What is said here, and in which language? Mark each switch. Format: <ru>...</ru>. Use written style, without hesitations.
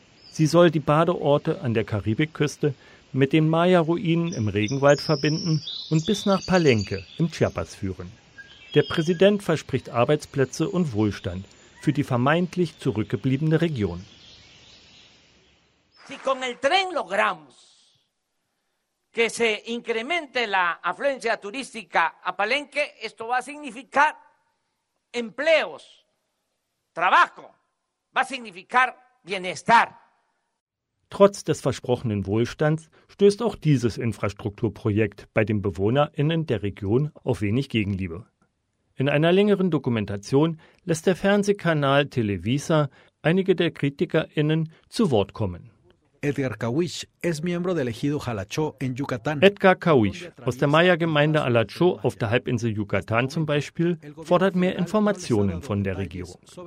<de>Sie soll die Badeorte an der Karibikküste mit den Maya-Ruinen im Regenwald verbinden und bis nach Palenque im Chiapas führen. Der Präsident verspricht Arbeitsplätze und Wohlstand für die vermeintlich zurückgebliebene Region.</de> <es>Si con el tren logramos que se incremente la afluencia turística a Palenque, esto va a significar empleos. Trabajo va a significar bienestar.</es> <de>Trotz des versprochenen Wohlstands stößt auch dieses Infrastrukturprojekt bei den BewohnerInnen der Region auf wenig Gegenliebe. In einer längeren Dokumentation lässt der Fernsehkanal Televisa einige der KritikerInnen zu Wort kommen.</de> <es>Edgar Kawish es miembro del ejido Jalacho en Yucatán.</es> <de>Edgar Kawish aus der Maya-Gemeinde Jalacho auf der Halbinsel Yucatán zum Beispiel fordert mehr Informationen von der Regierung.</de>